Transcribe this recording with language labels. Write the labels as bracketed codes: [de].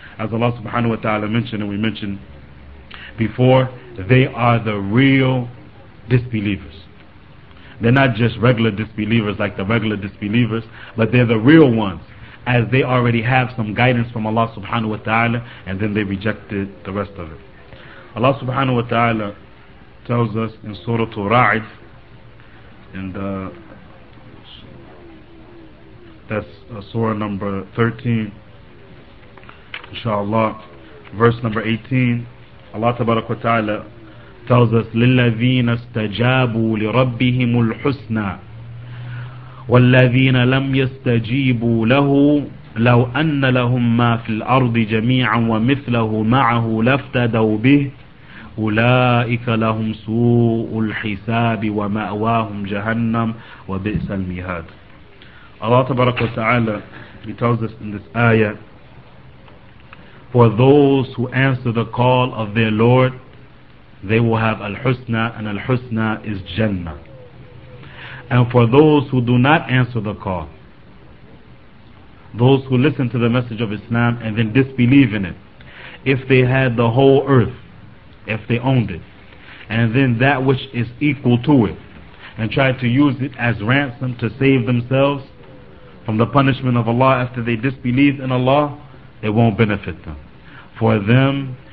[en] As Allah subhanahu wa ta'ala mentioned, and we mentioned before, they are the real disbelievers. They're not just regular disbelievers like the regular disbelievers, but they're the real ones, as they already have some guidance from Allah subhanahu wa ta'ala, and then they rejected the rest of it. Allah subhanahu wa ta'ala tells us in Surah Ra'id, in the, that's Surah number 13, inshallah, verse number 18, Allah tabarak wa ta'ala tells us, [ar] لِلَّذِينَ اسْتَجَابُوا لِرَبِّهِمُ الْحُسْنَى وَالَّذِينَ لَمْ يَسْتَجِيبُوا لَهُ لَوْ أَنَّ لَهُمْ مَا فِي الْأَرْضِ جَمِيعًا وَمِثْلَهُ مَعَهُ لَفْتَدَوْا بِهِ أُولَئِكَ لَهُمْ سُوءُ الْحِسَابِ وَمَأْوَاهُمْ جَهَنَّمُ وَبِئْسَ الْمِهَادُ. [en] Allah tabarak wa ta'ala, he tells us in this ayah, for those who answer the call of their Lord, they will have al-husna, and al-husna is Jannah. And for those who do not answer the call, those who listen to the message of Islam and then disbelieve in it, if they had the whole earth, if they owned it, and then that which is equal to it, and tried to use it as ransom to save themselves from the punishment of Allah after they disbelieve in Allah, it won't benefit them. For them